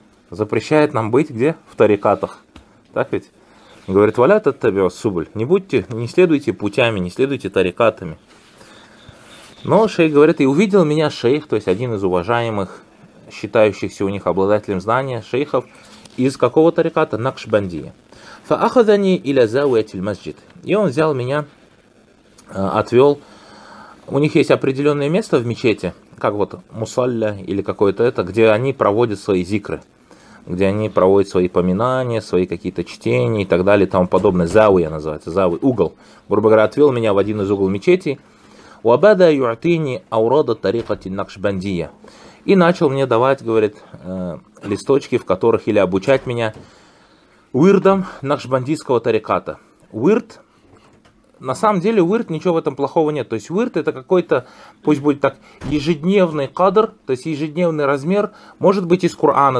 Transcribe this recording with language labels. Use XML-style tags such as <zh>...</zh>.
<ru>Запрещает нам быть где? В тарикатах. Так ведь? Говорит: «Валя таттабиу суббуль» не будьте, не следуйте путями, не следуйте тарикатами. Но шейх говорит, и увидел меня шейх, то есть один из уважаемых, считающихся у них обладателем знания, шейхов, из какого тариката? Накшбандия.</ru> <ar>فأخذني إلى زاوية المسجد.</ar> <ru>И он взял меня, отвел. У них есть определенное место в мечети, как вот мусалля или какое-то это, где они проводят свои зикры, где они проводят свои поминания, свои какие-то чтения и так далее, и тому подобное. Зауя называется, зауи, угол. Грубо говоря, отвел меня в один из углов мечети.</ru> <ar>وبدأ يعطيني أوراد طريقة النقشبندية.</ar> <ru>И начал мне давать, говорит, листочки, в которых или обучать меня уирдам накшбандийского тариката. Уирд, на самом деле, уирд, ничего в этом плохого нет. То есть уирд это какой-то, пусть будет так, ежедневный кадр, то есть ежедневный размер, может быть из Корана.</ru>